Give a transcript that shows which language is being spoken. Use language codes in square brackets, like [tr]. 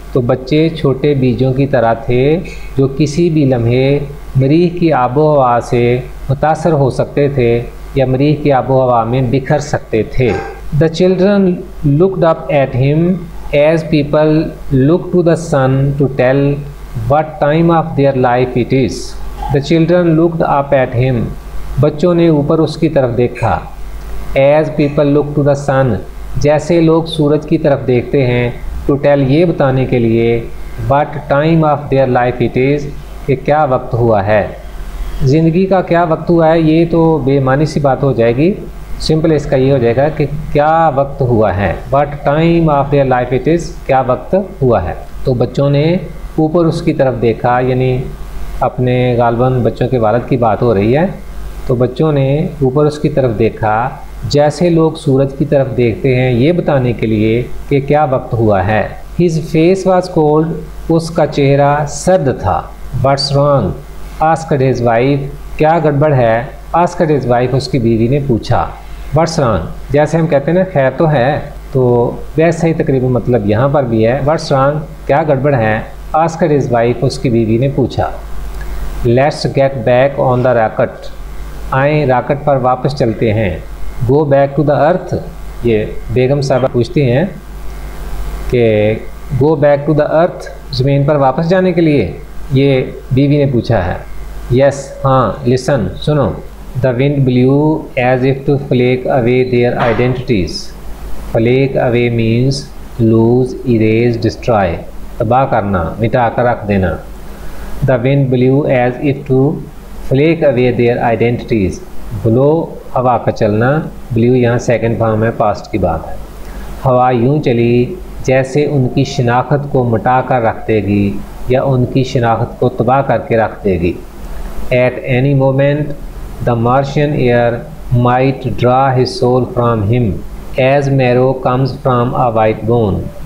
[hi] तो बच्चे छोटे बीजों की तरह थे जो किसी भी लम्हे मरीख की आबोहवा से मुतासर हो सकते थे या मरीख की आबोहवा में बिखर सकते थे. [en] The children looked up at him as people look to the sun to tell what time of their life it is. The children looked up at him, [hi] बच्चों ने ऊपर उसकी तरफ देखा. [en] As people look to the sun, [hi] जैसे लोग सूरज की तरफ देखते हैं, [en] to tell [hi] ये बताने के लिए, [en] what time of their life it is, [hi] कि क्या वक्त हुआ है, जिंदगी का क्या वक्त हुआ है, ये तो बेमानी सी बात हो जाएगी, simple इसका ये हो जाएगा कि क्या वक्त हुआ है, what time of their life it is, क्या वक्त हुआ है. तो बच्चों ने ऊपर उसकी तरफ देखा, यानी अपने गालबन बच्चों के वालद की बात हो रही है, तो बच्चों ने ऊपर उसकी तरफ देखा. जैसे लोग सूरज की तरफ देखते हैं ये बताने के लिए कि क्या वक्त हुआ है. [en] His face was cold, [hi] उसका चेहरा सर्द था. [en] What's wrong? Asked his wife, [hi] क्या गड़बड़ है? [en] Asked his wife, [hi] उसकी बीवी ने पूछा. [en] What's wrong? [hi] जैसे हम कहते हैं ना खैर तो है, तो वैसे ही तकरीबन मतलब यहाँ पर भी है. [en] What's wrong? [hi] क्या गड़बड़ है? Asked his wife, उसकी बीवी ने पूछा. [en] Let's get back on the rocket. [hi] आए रॉकेट पर वापस चलते हैं. [en] Go back to the earth, [hi] ये बेगम साहब पूछती हैं कि [en] go back to the earth, [hi] ज़मीन पर वापस जाने के लिए, ये बीवी ने पूछा है. [en] Yes, [hi] हाँ, [en] listen, [hi] सुनो. [en] The wind blew as if to flake away their identities. Flake away means lose, erase, destroy, [hi] तबाह करना, मिटा कर रख देना. [en] The wind blew as if to flake away their identities. [hi] Blow, हवा का चलना, ब्लू यहाँ सेकंड फॉर्म है, पास्ट की बात है. हवा यूं चली जैसे उनकी शिनाख्त को मिटा कर रख देगी या उनकी शिनाख्त को तबाह करके रख देगी. [en] At any moment the Martian air might draw his soul from him as marrow comes from a white bone.